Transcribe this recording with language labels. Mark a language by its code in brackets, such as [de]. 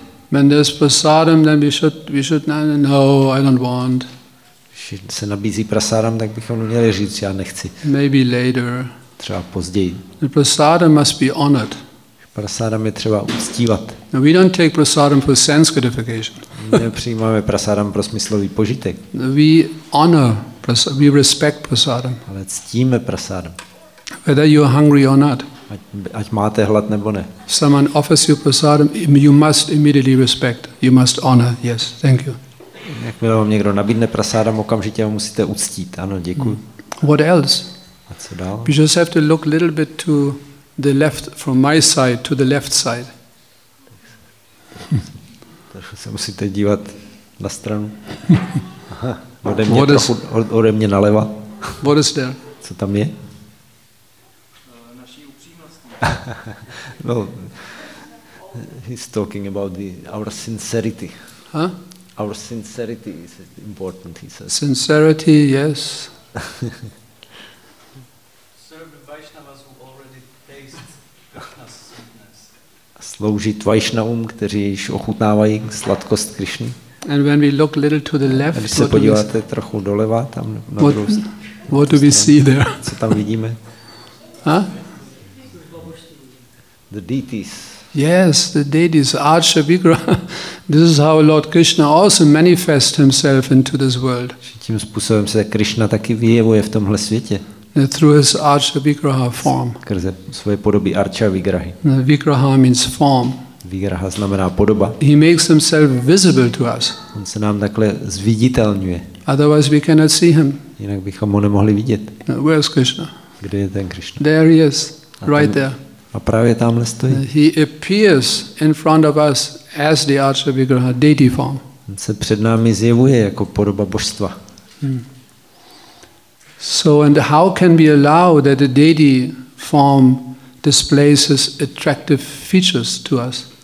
[en] When there's prasadam, then we should no, I don't want. [cs] Se nabízí prasadam, tak bychom měli říct, já nechci. [en] Maybe later. [cs] Třeba později. [en] The prasadam must be honored. [cs] Prasadam je třeba uctívat. [en] No, we don't take prasadam for sense gratification. [cs] Nepřijímáme prasadam pro smyslový požitek. [en] We honor prasadam, we respect prasadam. [cs] Ale ctíme prasadam. [en] Whether you are hungry or not. [cs] Ať máte hlad nebo ne. [en] Someone offers you prasadam, you must immediately respect. You must honor. Yes, thank you. [cs] Jakmile vám někdo nabídne prasadam, okamžitě ho musíte uctít. Ano, děkuji. [en] What else? [cs] A co dál? [en] You just have to look a little bit to the left, from my side to the left side. [cs] Takže se musíte dívat na stranu. Aha, ode mě naleva. [en] What is there? [cs] Co tam je? [en] Well, he's talking about our sincerity. Huh? Our sincerity is important, he says. Sincerity, yes. [cs] Sloužit Vaishnavům, kteří již ochutnávají sladkost Krišny. [en] And when we look little to the left, [cs] když se podíváte trochu doleva, tam na druhou stranu, [en] what do we see there? [cs] Co tam vidíme? Huh? [en] The deities. Yes, the deities, Archa Vigra. This is how Lord Krishna also manifests himself into this world. [cs] Tím způsobem se Krishna taky vyjevuje v tomhle světě. [en] Through his Archa Vigraha form. [cs] Skrze svoje podoby Archa Vigrahy. [en] Vigraha means form. [cs] Vigraha znamená podoba. [en] He makes himself visible to us. [cs] On se nám takhle zviditelňuje. [en] Otherwise we cannot see him. [cs] Jinak bychom ho nemohli vidět. [en] Where is Krishna? [cs] Kde je ten Krishna? [en] There he is, right there. [cs] A právě tamhle stojí. [en] He appears in front of us as the Archa Vigraha deity form. [cs] On se před námi zjevuje jako podoba božstva. [en] So and how can we allow that the deity form displays his attractive features to us?